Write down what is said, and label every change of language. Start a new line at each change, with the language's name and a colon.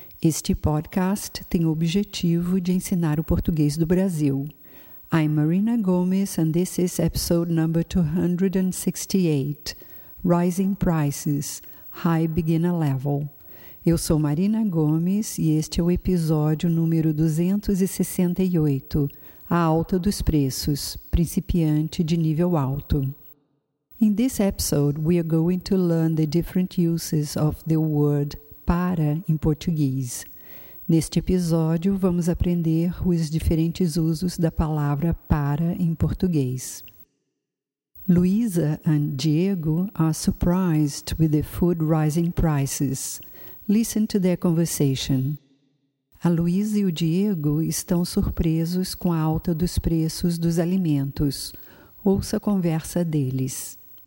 Portuguese: Este podcast tem o objetivo de ensinar o português do Brasil.
English: I'm Marina Gomes and this is episode number 268, Rising Prices, High Beginner Level.
Portuguese: Eu sou Marina Gomes e este é o episódio número 268, A Alta dos Preços, Principiante de Nível Alto.
English: In this episode, we are going to learn the different uses of the word para
Portuguese: em português. Neste episódio, vamos aprender os diferentes usos da palavra para em português.
English: Luisa and Diego are surprised with the food rising prices. Listen to their conversation.
Portuguese: A Luísa e o Diego estão surpresos com a alta dos preços dos alimentos. Ouça a conversa deles.